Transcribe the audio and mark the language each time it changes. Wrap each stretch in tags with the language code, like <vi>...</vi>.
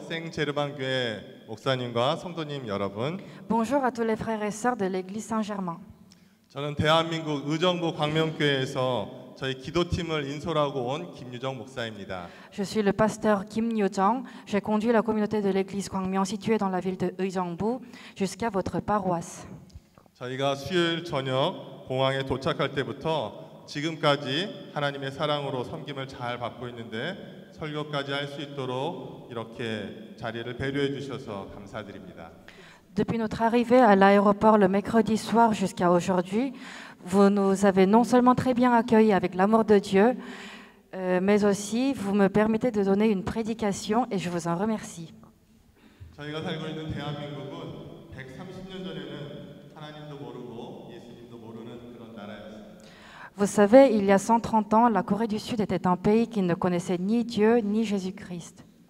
<ko>생제르만 교회 목사님과 성도님 여러분.</ko> <fr>Bonjour à tous les frères et sœurs de l'église Saint-Germain.</fr> <ko>저는 대한민국 의정부 광명교회에서 저희 기도팀을 인솔하고 온 김유정 목사입니다.</ko> <fr>Je suis le pasteur Kim Yujong. J'ai conduit la communauté de l'église Gwangmyeong située dans la ville de Eujeongbu jusqu'à votre paroisse.</fr> <ko>저희가 수요일 저녁 공항에 도착할 때부터 지금까지 하나님의 사랑으로 섬김을 잘 받고 있는데 설교까지 할 수 있도록 이렇게 자리를 배려해 주셔서 감사드립니다.</ko> <fr>Depuis notre arrivée à l'aéroport le mercredi soir jusqu'à aujourd'hui, vous nous avez non seulement très bien accueillis avec l'amour de Dieu, mais aussi vous me permettez de donner une prédication et je vous en remercie.</fr> <ko>저희가 살고 있는 대한민국은 130년 전에는 하나님도 모르고 예수님도 모르는 그런 나라였습니다.</ko> <fr>Vous savez, il y a 130 ans, la Corée du Sud était un pays qui ne connaissait ni Dieu ni Jésus-Christ.</fr>